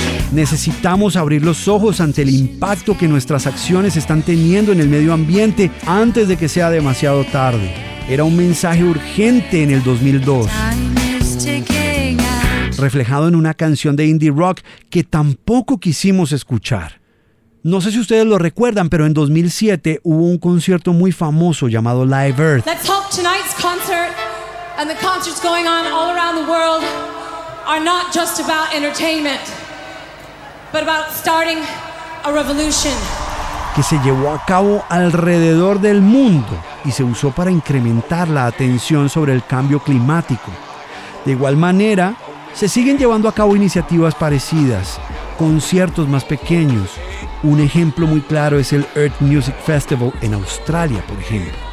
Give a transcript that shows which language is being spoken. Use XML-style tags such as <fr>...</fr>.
<es>Necesitamos abrir los ojos ante el impacto que nuestras acciones están teniendo en el medio ambiente antes de que sea demasiado tarde. Era un mensaje urgente en el 2002, reflejado en una canción de indie rock que tampoco quisimos escuchar. No sé si ustedes lo recuerdan, pero en 2007 hubo un concierto muy famoso llamado Live Earth.</es> <en>Let's hope tonight's concert and the concerts going on all around the world are not just about entertainment, but about starting a revolution.</en> <es>Que se llevó a cabo alrededor del mundo y se usó para incrementar la atención sobre el cambio climático. De igual manera, se siguen llevando a cabo iniciativas parecidas, conciertos más pequeños. Un ejemplo muy claro es el Earth Music Festival en Australia, por ejemplo.</es>